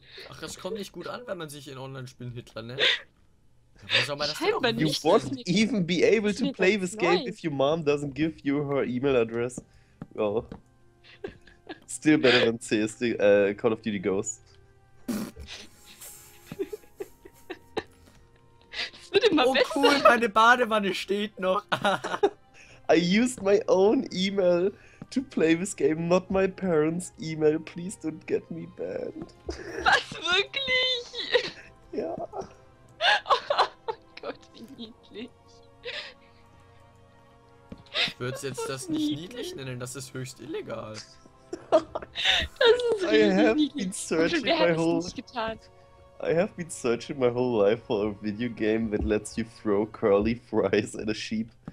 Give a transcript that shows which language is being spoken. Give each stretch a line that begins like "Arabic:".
German: Ach, das kommt nicht gut an, wenn man sich in Online-Spielen Hitler nennt. Wie soll man das denn
English: auch? You won't even be able to play this game if your mom doesn't give you her email address. Well, still better than CSD, Call of Duty Ghosts.
German: Oh cool, meine Badewanne steht noch.
English: I used my own email to play this game, not my parents' email. Please don't get me banned.
German: Was, wirklich? Ja. Oh Gott, wie niedlich. Würdest jetzt das nicht niedlich nennen? Das ist höchst illegal. Das ist richtig niedlich. Wer hat es nicht getan?
English: I have been searching my whole life for a video game that lets you throw curly fries at a sheep.